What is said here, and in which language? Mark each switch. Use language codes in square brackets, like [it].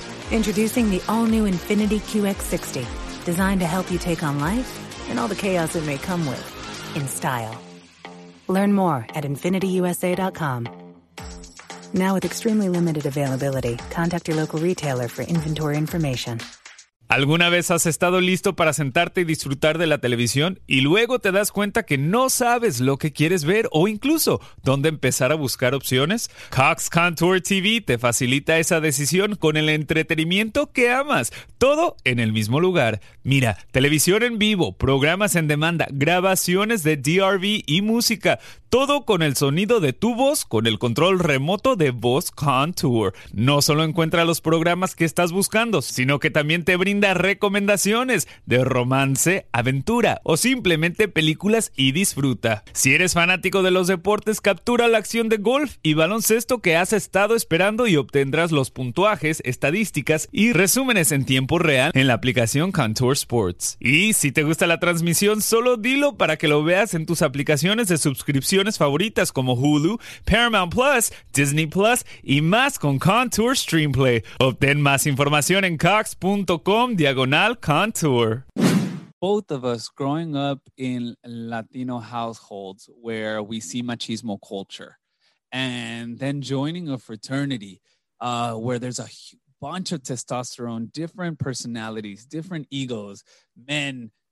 [en] Introducing the all-new Infiniti QX60, designed to help you take on life and all the chaos it may come with in style. Learn more at InfinityUSA.com. Now with extremely limited availability, contact your local retailer for inventory information. [es] ¿Alguna vez has estado listo para sentarte y disfrutar de la televisión y luego te das cuenta que no sabes lo que quieres ver o incluso dónde empezar a buscar opciones? Cox Contour TV te facilita esa decisión con el entretenimiento que amas, todo en el mismo lugar. Mira, televisión en vivo, programas en demanda, grabaciones de DRV y música. Todo con el sonido de tu voz, con el control remoto de Voz Contour. No solo encuentra los programas que estás buscando, sino que también te brinda recomendaciones de romance, aventura o simplemente películas y disfruta. Si eres fanático de los deportes, captura la acción de golf y baloncesto que has estado esperando y obtendrás los puntuajes, estadísticas y resúmenes en tiempo real en la aplicación Contour Sports. Y si te gusta la transmisión, solo dilo para que lo veas en tus aplicaciones de suscripción favoritas como Hulu, Paramount Plus, Disney Plus y más con Contour Streamplay. Obtén más información en cox.com/contour. [en] Both of us growing up in Latino households where we see machismo culture and then joining a fraternity where there's a bunch of testosterone, different personalities, different egos, men.